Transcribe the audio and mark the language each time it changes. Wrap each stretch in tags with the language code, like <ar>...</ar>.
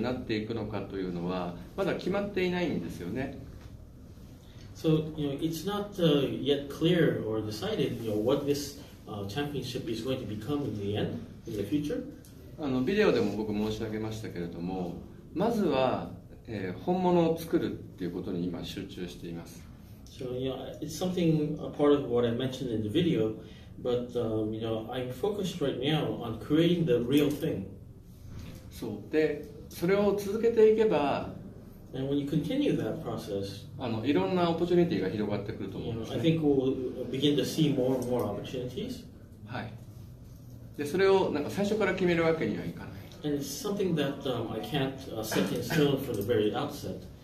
<ja>一部のコンペティションのチームからは、グランツーリスモに参加したいんだけど、ビジビリティがないから参加できないというふうに、そういった声も上がってますけど、山本さんはどう思っていらっしゃいますか。そうですね。このチャンピオンシップが将来どういうチャンピオンシップになっていくのかというのは、まだ決まっていないんですよね。</ja> <en>So, it's not yet clear or decided what this championship is going to become in the end, in the future.</en> <ja>ビデオでも僕申し上げましたけれども、 まずは本物を作るっていうことに今集中しています。</ja> <en>So, yeah, it's something a part of what I mentioned in the video, but I'm focused right now on creating the real thing.</en> <ja>そう。で、それを続けていけば、</ja> <en>And when you continue that process,</en> <ja>いろんなオポチュニティが広がってくると思うんですね。</ja> <en>I think we'll begin to see more and more opportunities.</en> <ja>はい。で、それを最初から決めるわけにはいかない。</ja> <en>And it's something that I can't set in stone from the very outset.</en>